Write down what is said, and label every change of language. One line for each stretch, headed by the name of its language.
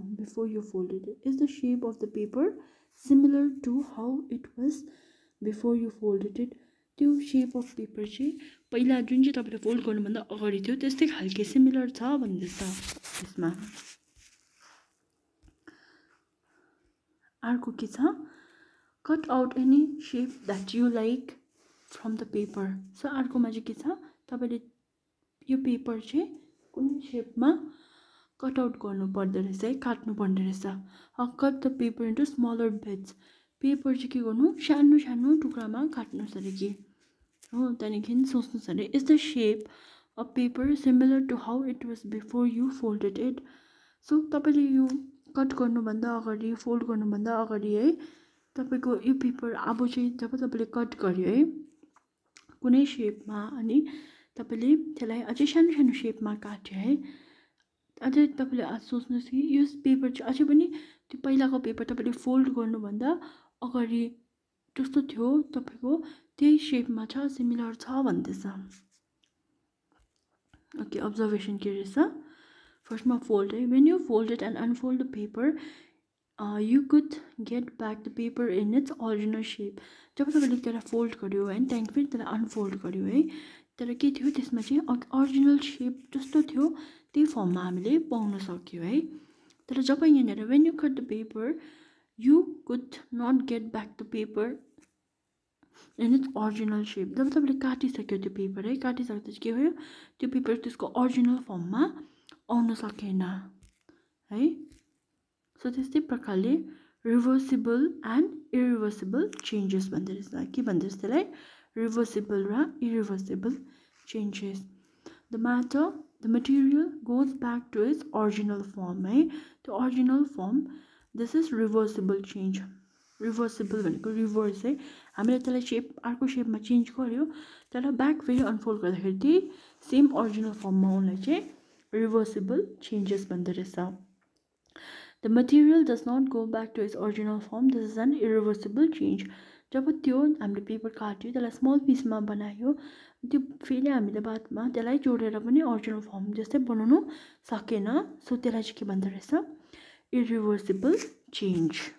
English: Before you folded it, is the shape of the paper similar to how it was before you folded it?
Nepali: त्यो shape of paper चाहिँ पहिला जुन चाहिँ तपाईँले fold गर्नुभन्दा अगाडि थियो त्यस्तै खालके सिमिलर छ भन्दैछ यसमा. अर्को के छ,
English: Cut out any shape that you like from the paper.
Nepali: So अर्कोमा चाहिँ के छ, तपाईँले यो पेपर चाहिँ कुनै सेपमा कट आउट गर्नु पर्दो रहेछ है, काट्नु पर्दो रहेछ.
English: cut the paper into smaller bits,
Nepali: paper चाहिँ के गर्नु, सानो टुक्रामा काट्नुहोस् अरे कि हो. त्यहाँदेखि सोच्नुहोस् अरे,
English: Is the shape of paper similar to how it was before you folded it?
Nepali: So तपाईँले यो कट गर्नुभन्दा अगाडि, फोल्ड गर्नुभन्दा अगाडि है, तपाईँको यो पेपर अब चाहिँ जब तपाईँले कट गर्यो है कुनै सेपमा, अनि तपाईँले त्यसलाई अझै सानो सेपमा काट्यो है, अझै तपाईँले सोच्नुहोस् कि यो पेपर चाहिँ अझै पनि त्यो पहिलाको पेपर तपाईँले फोल्ड गर्नुभन्दा अगाडि जस्तो थियो तपाईँको त्यही सेपमा छ, सिमिलर छ भन्दैछ.
English: okay, observation
Nepali: के रहेछ, फर्स्टमा फोल्ड है,
English: When you folded and unfold the paper you could get back the paper in its original shape.
Nepali: जब तपाईँले त्यसलाई फोल्ड गर्यो होइन, त्यहाँदेखि फेरि त्यसलाई अनफोल्ड गर्यो है, तर के थियो त्यसमा चाहिँ ओरिजिनल सेप जस्तो थियो त्यही फर्ममा हामीले पाउन सक्यो है. तर जब यहाँनिर
English: when you cut the paper you could not get back the paper in its original shape,
Nepali: जब तपाईँले काटिसक्यो त्यो पेपर है, काटिसकेपछि के भयो, त्यो पेपर त्यसको ओरिजिनल फर्ममा आउन सकेन है. सो त्यस्तै प्रकारले रिभर्सिबल एन्ड इरिभर्सिबल चेन्जेस भन्दो रहेछ, के भन्दो रहेछ त्यसलाई, रिभर्सिबल र irreversible changes.
English: The matter, the material goes back to its original form है, त्यो original form, this is reversible change.
Nepali: Reversible भनेको रिभर्स है, हामीले त्यसलाई सेप अर्को सेपमा चेन्ज गर्यो तर ब्याक फेरि अनफोल्ड गर्दाखेरि त्यही सेम ओरिजिनल फर्ममा आउनलाई चाहिँ रिभर्सिबल चेन्जेस भन्दो रहेछ.
English: The material does not go back to its original form. This is an irreversible change.
Nepali: जब त्यो हामीले पेपर काट्यो त्यसलाई स्मल पिसमा बनायो त्यो फेरि हामीले बादमा त्यसलाई जोडेर पनि ओरिजिनल फर्म जस्तै बनाउनु सकेन. सो त्यसलाई चाहिँ के भन्दो रहेछ, इरिभर्सिबल चेन्ज.